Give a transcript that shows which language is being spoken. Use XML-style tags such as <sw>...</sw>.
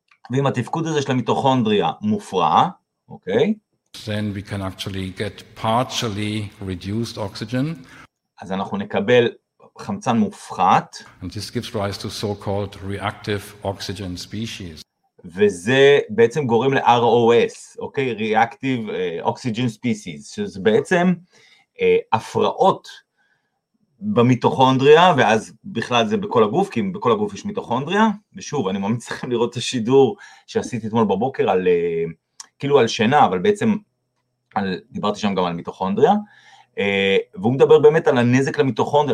<he>ואם התפקוד הזה של המיטוכונדריה מופרע, אוקיי?</he> <en>Then we can actually get partially reduced oxygen.</en> <he>אז אנחנו נקבל חמצן מופחת.</he> <en>And this gives rise to so-called reactive oxygen species.</en> <he>וזה בעצם גורם ל-ROS, אוקיי?</he> <en>Reactive oxygen species.</en> <he>שזה בעצם הפרעות במיטוכונדריה, ואז בכלל זה בכל הגוף, כי בכל הגוף יש מיטוכונדריה. ושוב, אני ממליץ לכם לראות את השידור שעשיתי אתמול בבוקר על... כאילו על שינה, אבל בעצם על, דיברתי שם גם על מיטוכונדריה, והוא מדבר באמת על הנזק למיטוכונדריה.</he>